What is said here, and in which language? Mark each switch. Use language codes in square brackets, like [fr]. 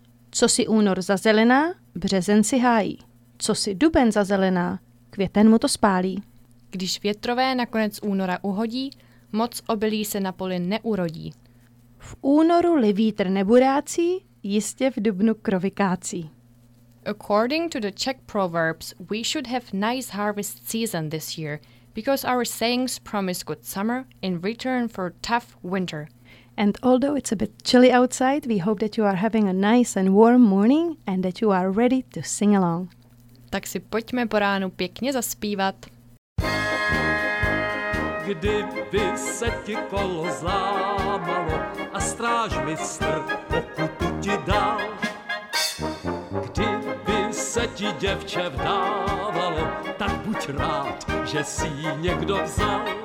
[cs] Co si únor zazelená, březen si hájí. Co si duben zazelená, květen mu to spálí. Když větrové nakonec února uhodí, moc obilí se na poli neurodí. V únoru li vítr neburácí, jistě v dubnu krovy kácí. [en] According to the Czech proverbs, we should have nice harvest season this year, because our sayings promise good summer in return for tough winter. And although it's a bit chilly outside, we hope that you are having a nice and warm morning and that you are ready to sing along. [cs] Tak si pojďme po ránu pěkně zaspívat. Kdyby se ti kolo zlámalo a strážmistr pokutu ti dal, kdyby se ti děvče vdávalo, tak buď rád, že si ji někdo vzal.